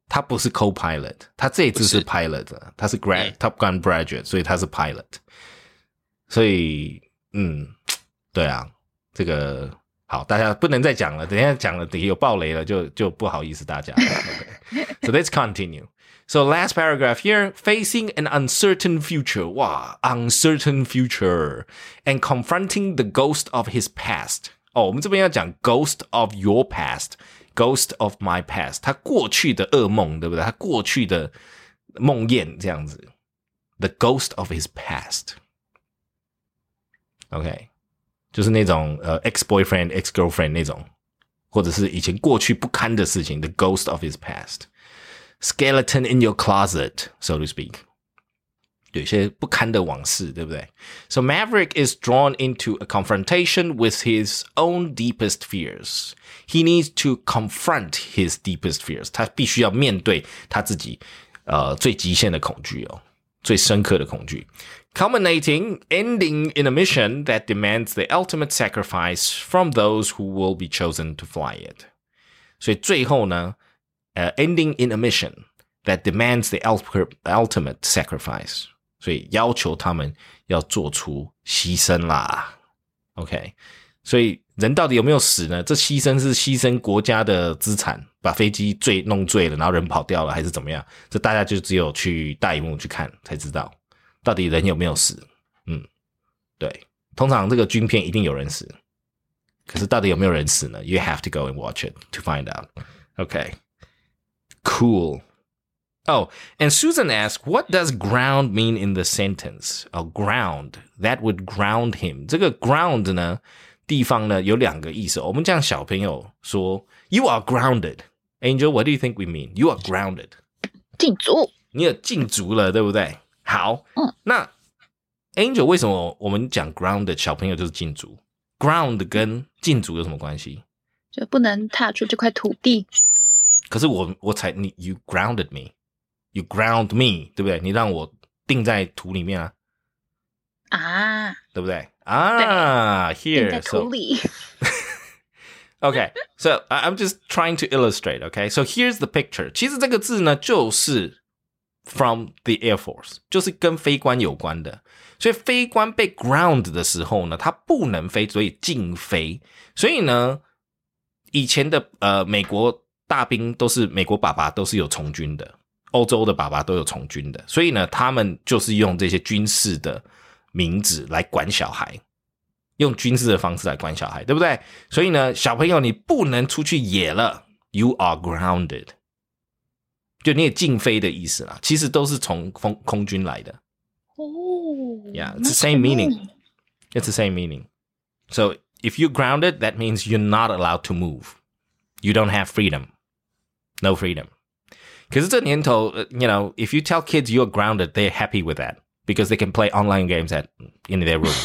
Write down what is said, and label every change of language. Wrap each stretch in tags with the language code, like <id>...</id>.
<zh>他不是 co-pilot， 他这次是 pilot， 他是 grad、Top Gun graduate， 所以他是 pilot。所以，对啊，这个。好，大家不能再讲了，等一下讲了等一下有爆雷了就不好意思大家了、okay.</zh> <en>So let's continue. So last paragraph here, facing an uncertain future, 哇 uncertain future, and confronting the ghost of his past.</en> <zh>哦，我们这边要讲</zh> <en>ghost of your past, ghost of my past,</en> <zh>他过去的噩梦，对不对？他过去的梦魇这样子。</zh> <en>The ghost of his past. Okay.</en> <zh>就是那种ex-boyfriend, ex-girlfriend 那种，或者是以前过去不堪的事情 ，</zh> <en>the ghost of his past, skeleton in your closet, so to speak，</en> <zh>有一些不堪的往事，对不对 ？</zh> <en>So Maverick is drawn into a confrontation with his own deepest fears. He needs to confront his deepest fears.</en> <zh>他必须要面对他自己最极限的恐惧哦，最深刻的恐惧。</zh> <en>Culminating, ending in a mission that demands the ultimate sacrifice from those who will be chosen to fly it.</en> <zh>所以最后呢</zh> <en>ending in a mission that demands the ultimate sacrifice.</en> <zh>所以要求他们要做出牺牲啦。 OK, 所以人到底有没有死呢？这牺牲是牺牲国家的资产，把飞机坠弄坠了，然后人跑掉了，还是怎么样？这大家就只有去大荧幕去看才知道。到底人有没有死？对，通常这个军片一定有人死，可是到底有没有人死呢 ？</zh> <en>You have to go and watch it to find out. Okay, cool. Oh, and Susan asks, "What does ground mean in the sentence?" Oh, ground that would ground him.</en> <zh>这个 ground 呢，地方呢有两个意思。我们这样小朋友说 ，</zh> <en>You are grounded, Angel. What do you think we mean? You are grounded.</en> <zh>禁足，你有禁足了，对不对？好，那 Angel 为什么我们讲 ground 的小朋友就是禁足？ ground 跟禁足有什么关系？就不能踏出这块土地。可是我才你</zh> <en>you grounded me, you ground me,</en> <zh>对不对？你让我定在土里面啊，啊，对不对？啊 ，here 定在土里。</zh> <en>Okay, so I'm just trying to illustrate. Okay, so here's the picture.</en> <zh>其实这个字呢，就是。</zh> <en>From the Air Force,</en> <zh>就是跟飞官有关的。所以飞官被 ground 的时候呢，他不能飞，所以禁飞。所以呢，以前的美国大兵都是美国爸爸都是有从军的，欧洲的爸爸都有从军的。所以呢，他们就是用这些军事的名字来管小孩，用军事的方式来管小孩，对不对？所以呢，小朋友你不能出去野了 ，</zh> <en>You are grounded。</en> <zh>就你也禁飞的意思啦，其实都是从空军来的。哦</zh> <en>，Yeah, it's the same meaning. It's the same meaning. So if you're grounded, that means you're not allowed to move. You don't have freedom. No freedom. Because it's a Nintendo, you know, if you tell kids you're grounded, they're happy with that because they can play online games at in their room.</en>